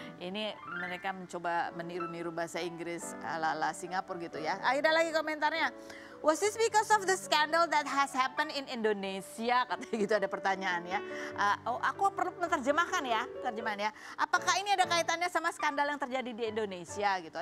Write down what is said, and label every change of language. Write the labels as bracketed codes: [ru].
[id] Ini mereka mencoba meniru-niru bahasa Inggris ala-ala Singapura gitu ya. Ada lagi komentarnya. [en] Was this because of the scandal that has happened in Indonesia? [id] Katanya gitu, ada pertanyaan ya. Aku perlu menerjemahkan ya, terjemahan ya. Apakah ini ada kaitannya sama skandal yang terjadi di Indonesia gitu?